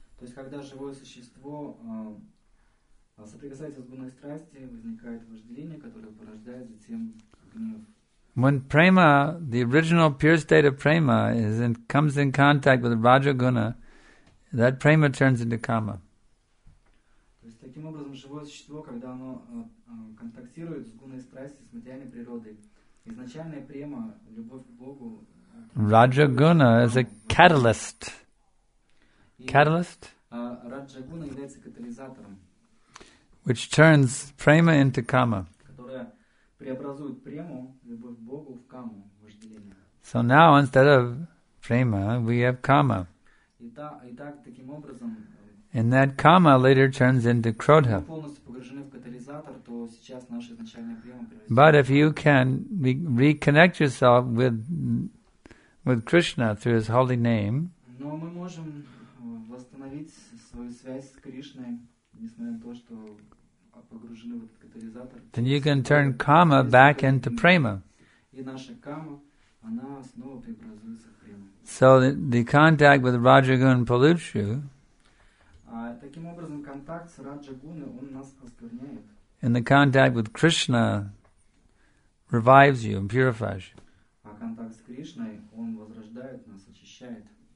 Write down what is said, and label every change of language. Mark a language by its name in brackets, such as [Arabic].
[Russian] то есть, когда живое существо соприкасается с гуной страсти, возникает вожделение, которое порождает затем гнев. [English] When prema, the original pure state of prema, comes in contact with rajaguna, that prema turns into kama. [Russian] То есть, таким образом, живое существо, когда оно контактирует с гуной страсти, с материальной природой, изначальная према, любовь к Богу... [English] Rajaguna is a catalyst. Catalyst? [Russian] Раджа-гуна является катализатором, [English] which turns prema into kama, [Russian] которая преобразует прему, любовь к Богу, в каму, вожделение. [English] So now instead of prema, we have kama. [Russian] И так таким образом. [English] And that kama later turns into krodha. [Russian] Полностью погружены в катализатор, то сейчас наша изначальная према. [English] But if you can reconnect yourself with Krishna through His holy name. [Russian] Но мы можем восстановить свою связь с Кришной, несмотря на то, что погружены в этот катализатор. [English] Then you can turn kama back into prema. [Russian] И наша кама, она снова преобразуется в прему. [English] So the contact with Rajagun pollutes you. [Russian] Таким образом, контакт с Раджагуной, он нас оскверняет. [English] And the contact with Krishna revives you and purifies you. [Russian] А контакт с Кришной, он возрождает нас, очищает.